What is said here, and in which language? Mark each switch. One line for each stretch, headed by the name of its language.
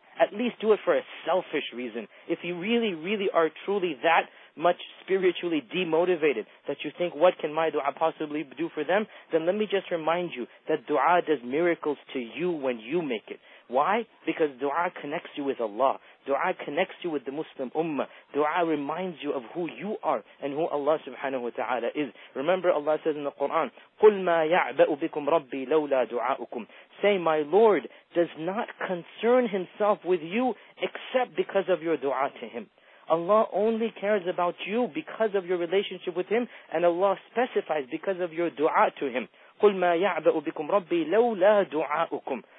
English: At least do it for a selfish reason. If you really, really are truly that much spiritually demotivated that you think, what can my dua possibly do for them? Then let me just remind you that dua does miracles to you when you make it. Why? Because dua connects you with Allah. Dua connects you with the Muslim ummah. Dua reminds you of who you are and who Allah subhanahu wa ta'ala is. Remember, Allah says in the Quran,
Arabic: قُلْ مَا يَعْبَأُ بِكُمْ رَبِّي لَوْلَا دُعَاءُكُمْ.
English: Say, my Lord does not concern Himself with you except because of your dua to Him. Allah only cares about you because of your relationship with Him, and Allah specifies because of your dua to Him.
Arabic: قُلْ مَا يَعْبَأُ بِكُمْ رَبِّي لَوْلَا دُعَاءُكُمْ.